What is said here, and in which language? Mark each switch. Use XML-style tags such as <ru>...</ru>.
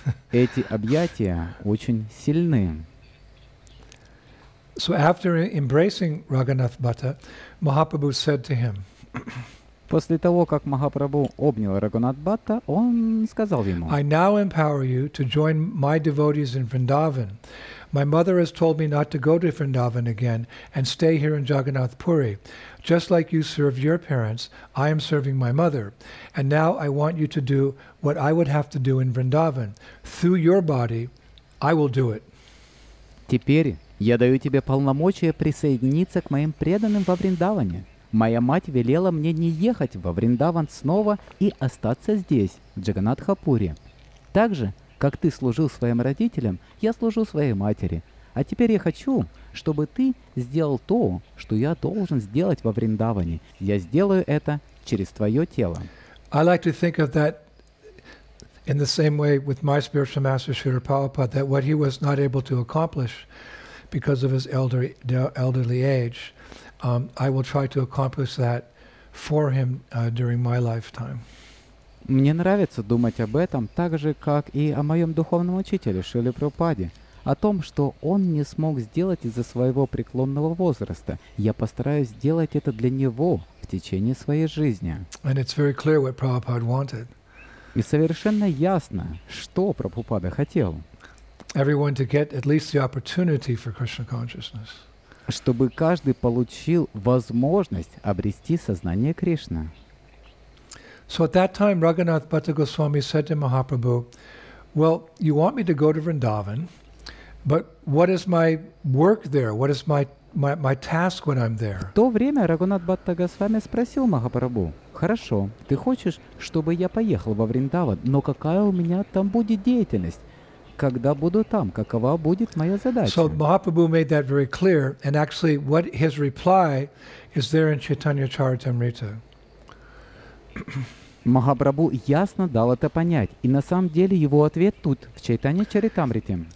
<ru>Эти объятия очень сильны.</ru> <en>So after embracing Raghunath Bhatta, Mahaprabhu said to him.</en> <ru>После того, как Махапрабху обнял Рагунат Бхатта, он сказал ему.</ru> <en>I now empower you to join my devotees in Vrindavan. My mother has told me not to go to Vrindavan again and stay here in Jagannath Puri. Just like you served your parents, I am serving my mother. And now I want you to do what I would have to do in Vrindavan. Through your body, I will do it.</en> <ru>Теперь я даю тебе полномочия присоединиться к моим преданным во Вриндаване. Моя мать велела мне не ехать во Вриндаван снова и остаться здесь, в Джаганатхапуре. Так же, как ты служил своим родителям, я служу своей матери. А теперь я хочу, чтобы ты сделал то, что я должен сделать во Вриндаване. Я сделаю это через твое тело.</ru> <en>I like to think of that in the same way with my spiritual master Srila Prabhupada, that what he was not able to accomplish because of his elderly age, I will try to accomplish that for him during my lifetime.</en> <ru>Мне нравится думать об этом так же, как и о моем духовном учителе Шриле Прабхупаде, о том, что он не смог сделать из-за своего преклонного возраста. Я постараюсь сделать это для него в течение своей жизни.</ru> <en>And it's very clear what Prabhupada wanted.</en> <ru>И совершенно ясно, что Прабхупада хотел.</ru> <en>Everyone to get at least the opportunity for Krishna consciousness.</en> <ru>Чтобы каждый получил возможность обрести сознание Кришны.</ru> <en>So at that time, Raghunath Bhatta Goswami said to Mahaprabhu, well, you want me to go to Vrindavan, but what is my work there? What is my task when I'm there?</en> <ru>В то время Рагунат Бхатта Госвами спросил Махапрабху, хорошо, ты хочешь, чтобы я поехал во Вриндаван, но какая у меня там будет деятельность? Когда буду там, какова будет моя задача?</ru> <en>So Mahaprabhu made that very clear, and actually what his reply is there in Chaitanya Charitamrita.</en> <ru>Махапрабху ясно дал это понять, и на самом деле его ответ тут, в Чайтанья Чаритамрите.</ru>